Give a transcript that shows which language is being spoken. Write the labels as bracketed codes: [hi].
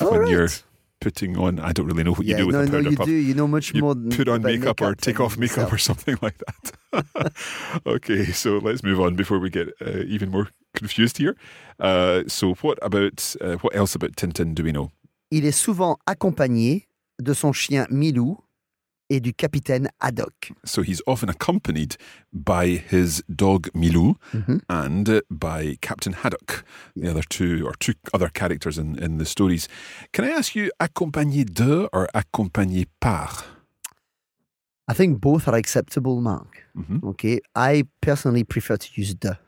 [en] you're... putting on, I don't really know what you do with the powder puff. No, you do. You know much more than put on makeup or take off makeup or something like that. Okay, so let's move on before we get even more confused here. So what else about Tintin do we know? [fr] Il est souvent accompagné de son chien Milou et du capitaine Haddock. [en] So he's often accompanied by his dog Milou and by Captain Haddock, the other two other characters in the stories. Can I ask you, accompagné de or accompagné par? I think both are acceptable, Mark. Mm-hmm. Okay, I personally prefer to use de.